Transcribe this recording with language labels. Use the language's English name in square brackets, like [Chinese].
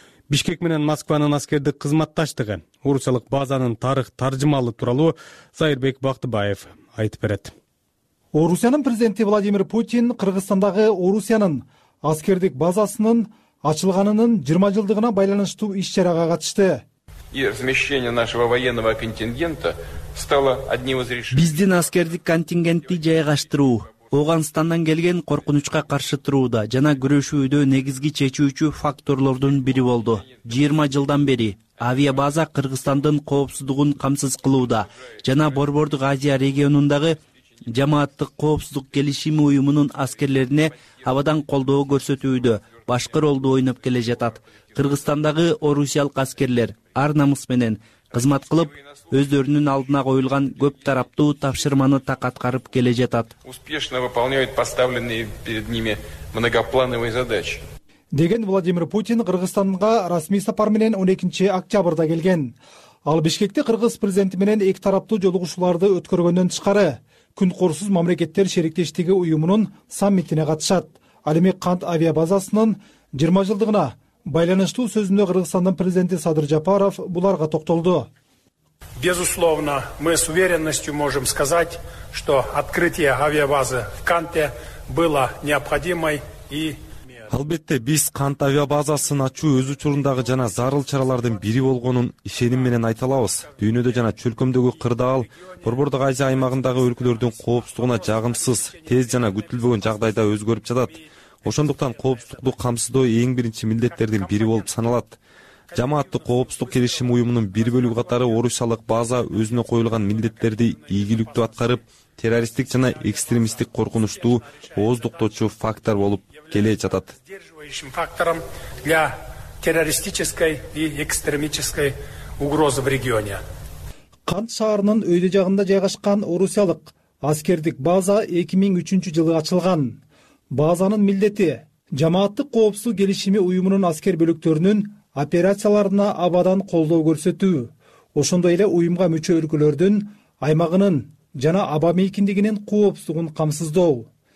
[Kyrgyz] Бишкек менен Москванын аскердик кызматташтыгы, орусиялык базанын тарых таржымалы тууралуу Зайырбек Бактыбаев айтып берет. Орусиянын президенти Владимир Путин Кыргызстандагы Орусиянын аскердик базасынын ачылганынын 20 жылдыгына байланыштуу иш-чарага катышты. [Russian] Размещение нашего военного контингента стало одним из решений. [Kyrgyz] Биздин аскердик контингентти жайгаштыруу Ооганстандан келген коркунучка каршы турууда жана күрөшүүдө негизги чечүүчү факторлордун бири болду. 20 жылдан бери авиабаза Кыргызстандын коопсуздугун камсыз кылууда жана Борбордук Азия региондагы Жамааттык коопсуздук келишими уюмунун аскерлерине абадан колдоо көрсөтүүдө башкы ролду ойноп келе жатат. Кыргызстандагы орусиялык аскерлер ар намыс менен кызмат кылып, өздөрүнүн алдына коюлган көп тараптуу тапшырманы так аткарып келе жатат. [Russian] Успешно выполняют поставленные перед ними многоплановые задачи. [Kyrgyz] Деген Владимир Путин Кыргызстанга расмий сапар менен 12 октябрда келген. Ал Бишкекте кыргыз президенти менен эки тараптуу жолугушууларды өткөргөндөн тышкары күн корусуз мамлекеттер шериктештиги уюмунун саммитине катышат. Ал эми Кант авиабазасынын 20 жылдыгына байланыштуу сөзүндө Кыргызстандын президенти Садыр Жапаров буларга токтолду. [Russian] Безусловно, мы с уверенностью можем сказать, что открытие авиабазы в Канте было необходимой и мер. [Kyrgyz] Албетте, биз кант авиабазасын ачуу өз учурундагы жана зарыл чаралардын бири болгонун ишеним менен айта алабыз. Дүйнөдө жана чөлкөмдөгү кырдаал Борбордук Азия аймагындагы өлкөлөрдүн коопсуздугуна жагымсыз, тез жана күтүлбөгөн жагдайда өзгөрүп жатат. Ошондуктан коопсуздукту камсыздоо эң биринчи милдеттердин бири болуп саналат. Жамааттык коопсуздук келишими уюмунун бир бөлүгү катары орусиялык база өзүнө коюлган милдеттерди ийгиликтүү аткарып, террористтик жана экстремисттик коркунучту ооздуктоочу фактор болуп келе жатат. [Russian] Сдерживающим фактором для террористической и экстремической угрозы в регионе. [Kyrgyz] Кант шаарынын өйдө жагында жайгашкан орусиялык аскердик база 2003 жылы ачылган. Базанын милдети жамааттык коопсуздук келишими уюмунун аскер бөлүктөрүнүн операцияларына абадан колдоо көрсөтүү. Ошондой эле уюмга мүчө өлкөлөрдүн аймагынын жана аба мейкиндигинин коопсуздугун камсыздоо.